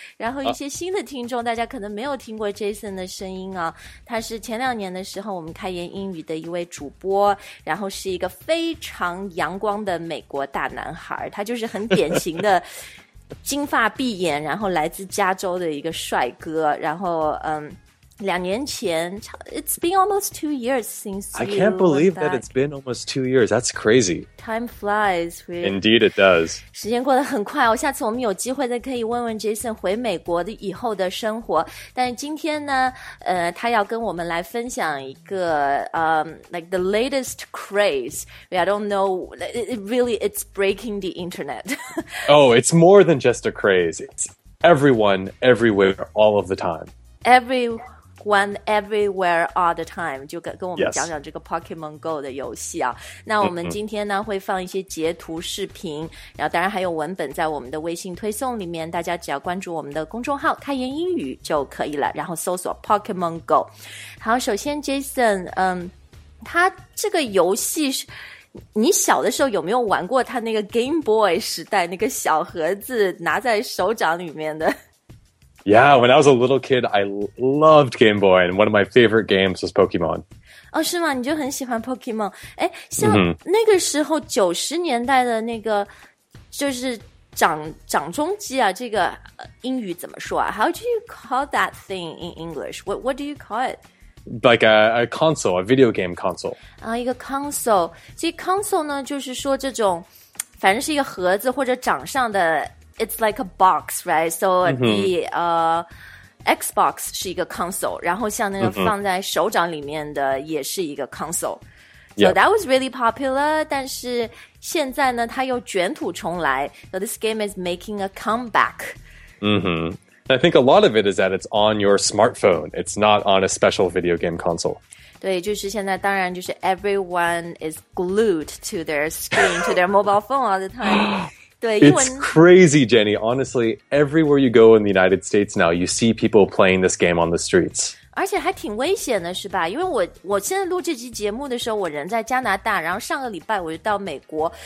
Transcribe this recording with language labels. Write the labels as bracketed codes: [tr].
[zh] 然后一些新的听众，大家可能没有听过 Jason 的声音啊，他是前两年的时候我们开言英语的一位主播，然后是一个非常阳光的美国大男孩，他就是很典型的金发碧眼，然后来自加州的一个帅哥。然后两年前 [en] It's been almost 2 years since I can't believe that it's been almost 2 years. That's crazy. Time flies. Indeed it does. [zh] 时间过得很快哦。下次我们有机会再可以问问 Jason 回美国的以后的生活。但今天呢他要跟我们来分享一个 [en] like the latest craze. I don't know, it's breaking the internet. Oh, it's more than just a craze. It's everyone, everywhere, all of the time. Everyone, everywhere, all the time. [zh] 就跟我们讲讲这个 Pokemon Go 的游戏啊。那我们今天呢会放一些截图视频，然后当然还有文本在我们的微信推送里面，大家只要关注我们的公众号开言英语就可以了，然后搜索 Pokemon Go。好，首先 Jason 他这个游戏是你小的时候有没有玩过，他那个 Game Boy 时代那个小盒子拿在手掌里面的？ [en] Yeah, when I was a little kid, I loved Game Boy, and one of my favorite games was Pokemon. [zh] Oh, 是吗？你就很喜欢 Pokemon? 诶，像那个时候90年代的那个，就是掌中机啊，这个英语怎么说啊？ [en] How do you call that thing in English? What do you call it? Like a console, a video game console. [zh] 啊，一个 console. 其实 console 呢，就是说这种，反正是一个盒子或者掌上的。 [en] It's like a box, right? So the Xbox [zh] 是一个 console, 然后像那个放在手掌里面的也是一个 console. [en] So that was really popular, [zh] 但是现在呢它又卷土重来。 [en] So this game is making a comeback. I think a lot of it is that it's on your smartphone. It's not on a special video game console. [zh] 对，就是现在当然就是 [en] everyone is glued to their screen, to their mobile phone all the time. It's crazy, Jenny. Honestly, everywhere you go in the United States now, you see people playing this game on the streets. [zh] 而且还挺危险的是吧？因为我现在录这期节目的时候，我人在加拿大，然后上个礼拜我就到美国。